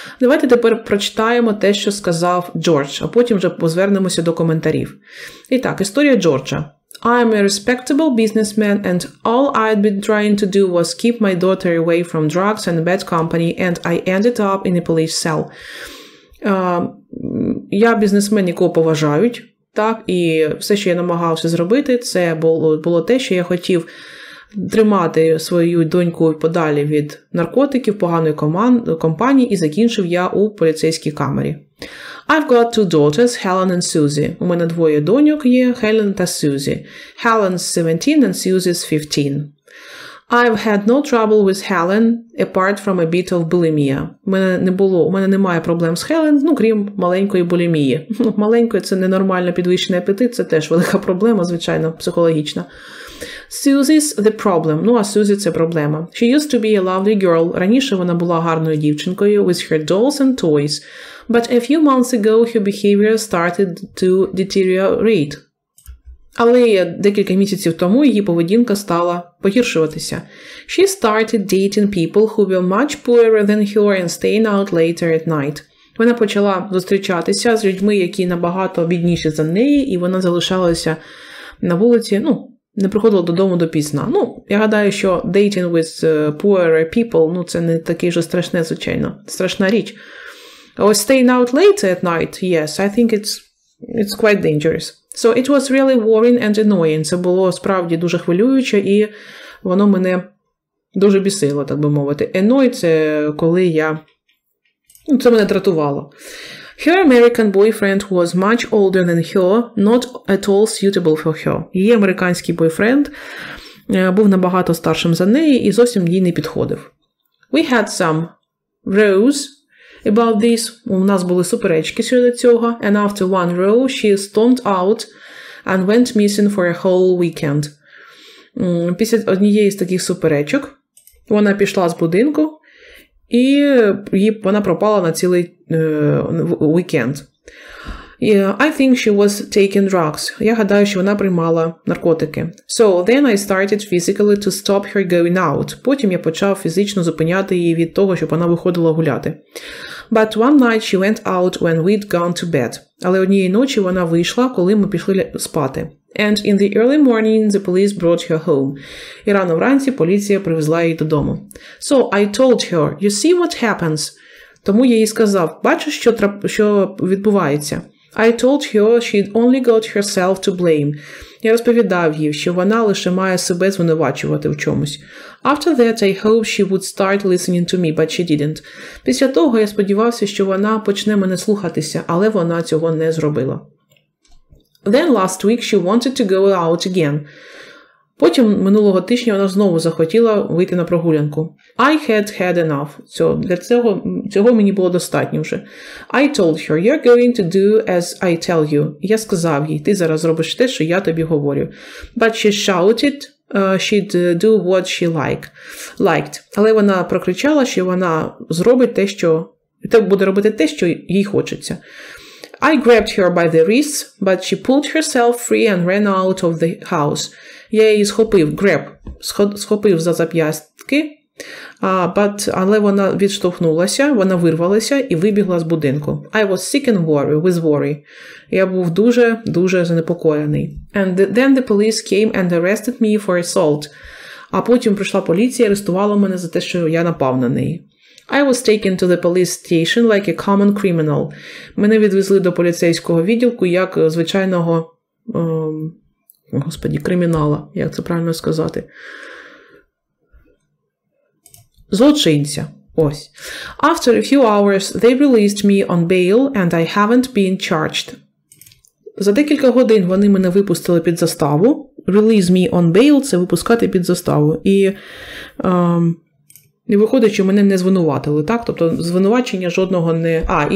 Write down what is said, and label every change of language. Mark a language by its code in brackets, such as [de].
[uk] Давайте тепер прочитаємо те, що сказав Джордж, а потім вже позвернемося до коментарів. І так, історія Джорджа. [en] I am a respectable businessman and all I'd been trying to do was keep my daughter away from drugs and bad company and I ended up in a police cell. [uk] Я бізнесмен, якого поважають, так, і все, що я намагався зробити, це було те, що я хотів тримати свою доньку подалі від наркотиків, поганої компанії, і закінчив я у поліцейській камері. [en] I've got two daughters, Helen and Susie. [uk] У мене двоє доньок є, Helen та Susie. [en] Helen's 17 and Susie's 15. I've had no trouble with Helen, apart from a bit of bulimia. [uk] У мене немає проблем з Хелен, ну, крім маленької булімії. Маленької – це ненормально підвищений апетит, це теж велика проблема, звичайно, психологічна. [en] Susie's the problem. [uk] Ну, а Susie – це проблема. [en] She used to be a lovely girl. [uk] Раніше вона була гарною дівчинкою, [en] with her dolls and toys. But a few months ago her behavior started to deteriorate. [uk] Але декілька місяців тому її поведінка стала погіршуватися. [en] She started dating people who were much poorer than her and staying out later at night. [uk] Вона почала зустрічатися з людьми, які набагато бідніші за неї, і вона залишалася на вулиці, ну, не приходила додому допізна. Ну, я гадаю, що [en] dating with poorer people, [uk] ну, це не таке вже страшне, звичайно, страшна річ. [en] Or staying out later at night, yes, I think it's quite dangerous. So it was really worrying and annoying. [uk] Це було справді дуже хвилююче, і воно мене дуже бісило, так би мовити. Annoy – це коли я… Це мене дратувало. [en] Her American boyfriend was much older than her, not at all suitable for her. [uk] Її американський бойфренд був набагато старшим за неї і зовсім їй не підходив. [en] We had some rows about this. [uk] У нас були суперечки щодо цього. [en] And after one row, she stormed out and went missing for a whole weekend. [uk] Після однієї з таких суперечок вона пішла з будинку і вона пропала на цілий weekend. [en] Yeah, I think she was taking drugs. [uk] Я гадаю, що вона приймала наркотики. [en] So then I started physically to stop her going out. [uk] Потім я почав фізично зупиняти її від того, щоб вона виходила гуляти. [en] But one night she went out when we'd gone to bed. [uk] Але однієї ночі вона вийшла, коли ми пішли спати. [en] And in the early morning the police brought her home. [uk] І рано вранці поліція привезла її додому. [en] So I told her, you see what happens? [uk] Тому я їй сказав, бачиш, що відбувається? [en] I told her she'd only got herself to blame. [uk] Я розповідав їй, що вона лише має себе звинувачувати в чомусь. [en] After that, I hoped she would start listening to me, but she didn't. [uk] Після того я сподівався, що вона почне мене слухатися, але вона цього не зробила. [en] Then last week she wanted to go out again. [uk] Потім минулого тижня вона знову захотіла вийти на прогулянку. [en] I had had enough. [uk] Цього мені було достатньо вже. [en] I told her, you're going to do as I tell you. [uk] Я сказав їй, ти зараз робиш те, що я тобі говорю. [en] But she shouted, she'd do what she liked. [uk] Але вона прокричала, що вона зробить те, що... Та буде робити те, що їй хочеться. [en] I grabbed her by the wrists, but she pulled herself free and ran out of the house. [uk] Я її схопив, grab, схопив за зап'ястки, але вона відштовхнулася, вона вирвалася і вибігла з будинку. [en] I was sick and worried, with worry. [uk] Я був дуже-дуже занепокоєний. [en] And then the police came and arrested me for assault. [uk] А потім прийшла поліція і арештувала мене за те, що я напав на неї. [en] I was taken to the police station like a common criminal. [uk] Мене відвезли до поліцейського відділку як звичайного... Господи, криминала, як це правильно сказати? Злочинця. Ось. [en] After a few hours, they released me on bail and I haven't been charged. [uk] За декілька годин вони мене випустили під заставу. [en] Release me on bail [uk] – це випускати під заставу. І виходить, що мене не звинуватили, так? Тобто звинувачення жодного не...